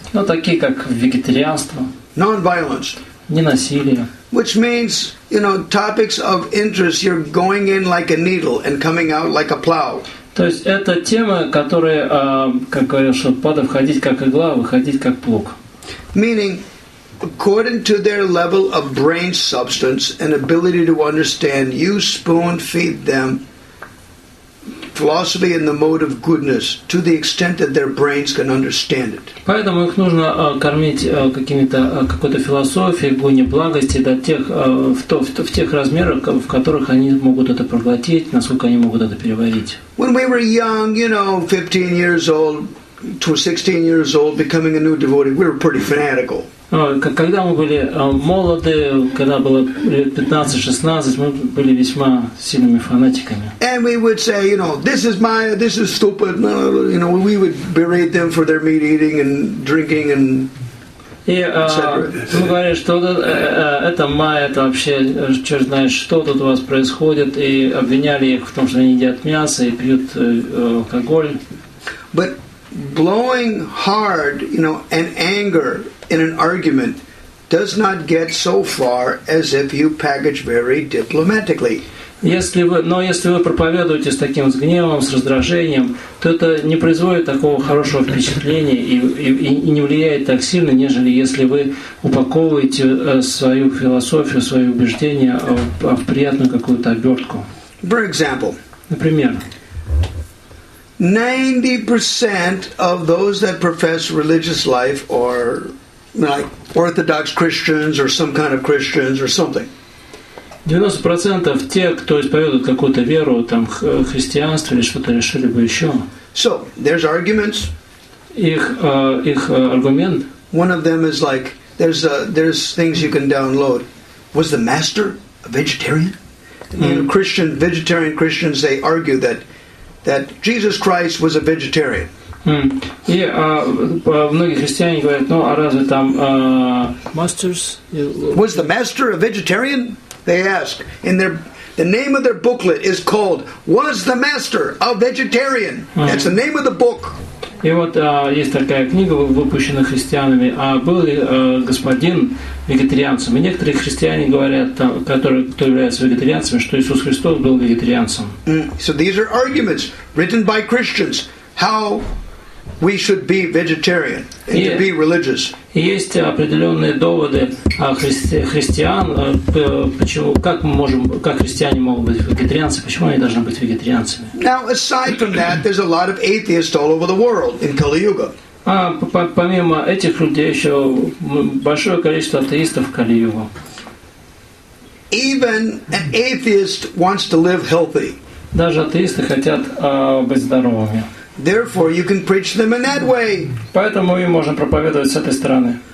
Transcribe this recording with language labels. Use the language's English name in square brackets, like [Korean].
[Russian] Ну, такие как вегетарианство. [English] Non-violence. [Russian] Ненасилие. [English] Which means, you know, topics of interest. You're going in like a needle and coming out like a plow. [Russian] То есть это тема, которая, как говорят, что надо входить как игла, выходить как плуг. [English] Meaning. According to their level of brain substance and ability to understand, you spoon feed them philosophy and the mode of goodness to the extent that their brains can understand it. [Russian] Поэтому их нужно кормить какими-то какой-то философией, гуне благости до тех в тех размерах, в которых они могут это проглотить, насколько они могут это переварить. [English] When we were young, you know, 15 years old to 16 years old, becoming a new devotee, we were pretty fanatical. [Russian] Когда мы были молоды, когда было 15-16, мы были весьма сильными фанатиками. [English] And we would say, you know, this is Maya, this is stupid. You know, we would berate them for their meat eating and drinking and etc. [Russian] Мы говорили, что это Maya, это вообще, черт знает, что тут у вас происходит, и обвиняли их в том, что они едят мясо и пьют алкоголь. [English] But blowing hard, you know, and anger in an argument does not get so far as if you package very diplomatically. [Russian] Если вы проповедуете с таким с гневом, с раздражением, то это не производит такого хорошего впечатления и не влияет так сильно, нежели если вы упаковываете свою философию, свои убеждения в приятную какую-то обертку. [English] For example. [Russian] Например. [English] 90% of those that profess religious life are like orthodox Christians or some kind of Christians or something. 90% of [Russian] тех, кто исповедует какую-то веру, там христианство или что-то решили бы еще. [English] So there's arguments. [Russian] Их аргумент. [English] One of them is like there's things you can download. Was the master a vegetarian? You know, Christian vegetarian Christians, they argue that Jesus Christ was a vegetarian. [Russian] И многие христиане говорят, ну а разве там masters? [English] Was the master a vegetarian? They ask. In the name of their booklet is called "Was the Master a Vegetarian?" That's the name of the book. [Russian] И вот есть такая книга, выпущена христианами. А был ли господин вегетарианцем? И некоторые христиане говорят, кто является вегетарианцами, что Иисус Христос был вегетарианцем. [English] So these are arguments written by Christians. How we should be vegetarian and to be religious. [Russian] Есть определенные доводы христиан, почему, как мы можем, как христиане могут быть вегетарианцами, почему они должны быть вегетарианцами. [English] Now, aside from that, there's a lot of atheists all over the world in Kali Yuga. [Russian] Помимо этих людей еще большое количество атеистов в Кали Юга. [English] Even an atheist wants to live healthy. [Russian] Даже атеисты хотят быть здоровыми. [English] Therefore, you can preach them in that way. [Russian] Поэтому мы можем проповедовать с этой стороны.